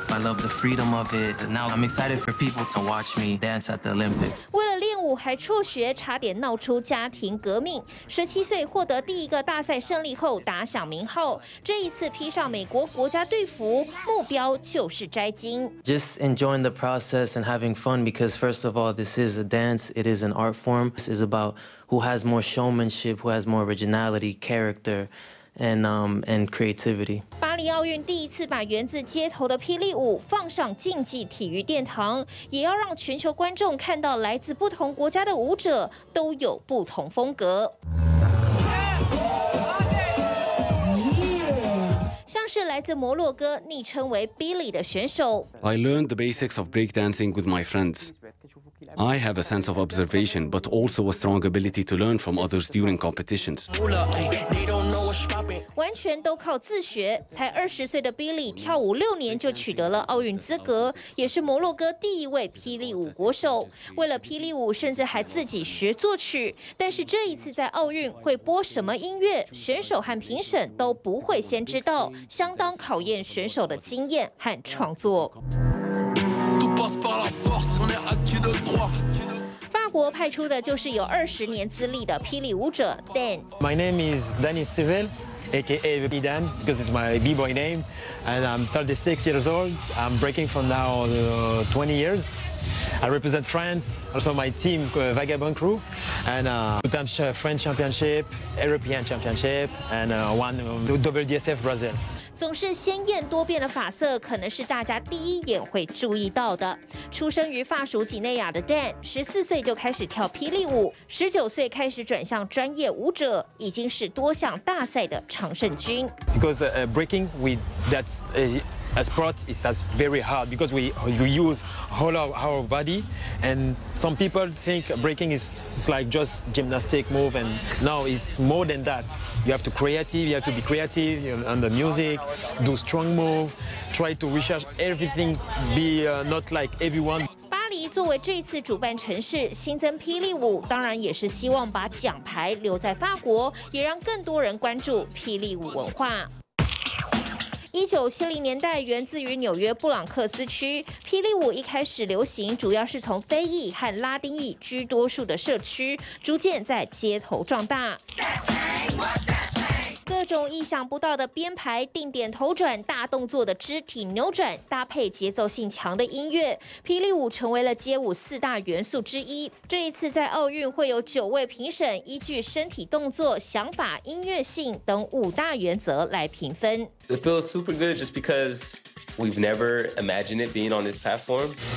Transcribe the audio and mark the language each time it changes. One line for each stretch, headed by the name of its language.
English: I love the freedom of it. Now I'm excited for people to watch me dance at the Olympics.
Chinese: 为了练舞。舞还辍学，差点闹出家庭革命。17岁获得第一个大赛胜利后打响名号，这一次披上美国国家队服，目标就是摘金。
English: Just enjoying the process and having fun because first of all, this is a dance. It is an art form. This is about who has more showmanship, who has more originality, character. And creativity.
Chinese: 巴黎奥运第一次把源自街头的霹雳舞放上竞技体育殿堂，也要让全球观众看到来自不同国家的舞者都有不同风格。像是来自摩洛哥，昵称为 Billy 的选手。
English: I learned the basics of breakdancing with my friends. I have a sense of observation, but also a strong ability to learn from others during competitions.
Chinese: 完全都靠自学，才20岁的 Billy 跳舞6年就取得了奥运资格，也是摩洛哥第一位霹雳舞国手。为了霹雳舞，甚至还自己学作曲。但是这一次在奥运会播什么音乐，选手和评审都不会先知道，相当考验选手的经验和创作。法国派出的就是有20年资历的霹雳舞者 Dan。
English: My name is Denis Civil, A.K.A. B Dan, because it's my b-boy name, and I'm 36 years old. I'm breaking for now 20 years. I represent France, also my team Vagabond Crew, and two-time French Championship, European Championship, and one WDSF Brazil.
Chinese: 总是鲜艳多变的发色，可能是大家第一眼会注意到的。出生于法属几内亚的 Dan， 14岁就开始跳霹雳舞，19岁开始转向专业舞者，已经是多项大赛的常胜军。
English: Because breaking with that's a sport is that's very hard because we use all of our body, and some people think breaking is like just gymnastic move, and no, it's more than that. You have to creative, you have to be creative on the music, do strong move, try to research everything, be not like everyone.
Chinese: 作为这次主办城市新增霹雳舞，当然也是希望把奖牌留在法国，也让更多人关注霹雳舞文化。 1970年代源自于纽约布朗克斯区，霹雳舞一开始流行主要是从非裔和拉丁裔居多数的社区，逐渐在街头壮大。各种意想不到的编排、定点头转、大动作的肢体扭转，搭配节奏性强的音乐，霹雳舞成为了街舞四大元素之一。这一次在奥运会有9位评审，依据身体动作、想法、音乐性等5大原则来评分。
English: It feels super good just because we've never imagined it being on this platform.